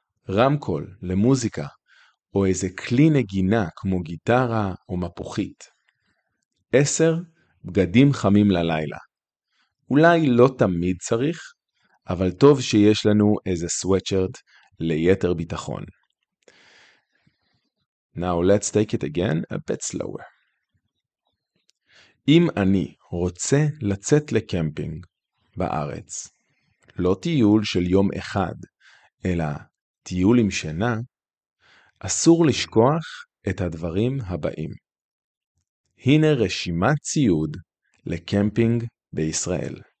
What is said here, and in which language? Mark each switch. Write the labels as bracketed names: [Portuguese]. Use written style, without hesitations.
[Hebrew] רמקול למוזיקה, או איזה כלי נגינה כמו גיטרה או מפוחית. 10. בגדים חמים ללילה. אולי לא תמיד צריך, אבל טוב שיש לנו איזה סוואטשרט ליתר ביטחון. [English] Now let's take it again a bit slower. [Hebrew] אם אני רוצה לצאת לקמפינג בארץ, לא טיול של יום אחד, אלא טיול עם שינה, אסור לשכוח את הדברים הבאים. הנה רשימת ציוד לקמפינג בישראל.